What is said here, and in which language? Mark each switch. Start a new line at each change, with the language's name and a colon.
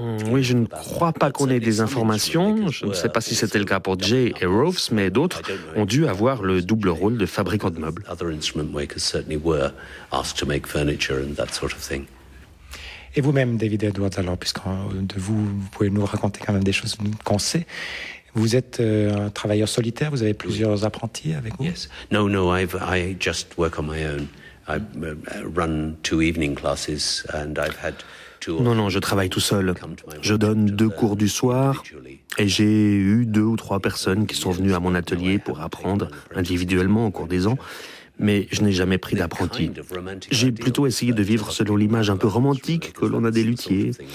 French: Oui, je ne crois pas qu'on ait des informations. Je ne sais pas si c'était le cas pour Jay et Rove, mais d'autres ont dû avoir le double rôle de fabricant de meubles.
English: Other instrument makers certainly were asked to make furniture and that sort of thing.
French: Et vous-même, David Edwards, alors, puisque de vous, vous pouvez nous raconter quand même des choses qu'on sait. Vous êtes un travailleur solitaire. Vous avez plusieurs apprentis avec vous.
English: Yes. No. I just work on my own. I run two evening classes and I've had.
French: Non, je travaille tout seul. Je donne deux cours du soir et j'ai eu deux ou trois personnes qui sont venues à mon atelier pour apprendre individuellement au cours des ans, mais je n'ai jamais pris d'apprenti. J'ai plutôt essayé de vivre selon l'image un peu romantique que l'on a des luthiers.